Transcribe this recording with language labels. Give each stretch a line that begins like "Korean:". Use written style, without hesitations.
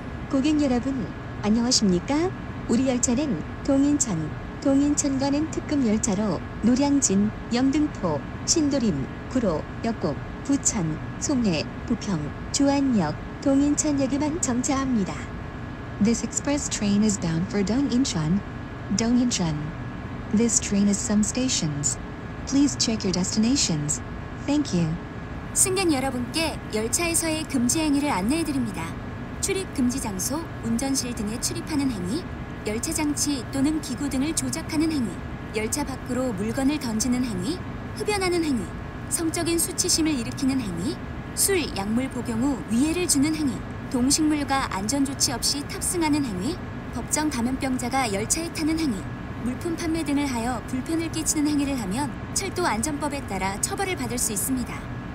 Korean: 고객 여러분, 안녕하십니까? 우리 열차는 동인천, 동인천 가는 특급 열차로 노량진, 영등포, 신도림, 구로, 역곡, 부천, 송내, 부평, 주안역, 동인천역에만 정차합니다.
English: This express train is bound for Dongincheon. Dongincheon. This train has some stations. Please check your destinations. Thank you.
Korean: 승객 여러분께 열차에서의 금지 행위를 안내해 드립니다. 출입 금지 장소, 운전실 등에 출입하는 행위, 열차 장치 또는 기구 등을 조작하는 행위, 열차 밖으로 물건을 던지는 행위, 흡연하는 행위, 성적인 수치심을 일으키는 행위, 술, 약물 복용 후 위해를 주는 행위, 동식물과 안전조치 없이 탑승하는 행위, 법정 감염병자가 열차에 타는 행위, 물품 판매 등을 하여 불편을 끼치는 행위를 하면 철도 안전법에 따라 처벌을 받을 수 있습니다.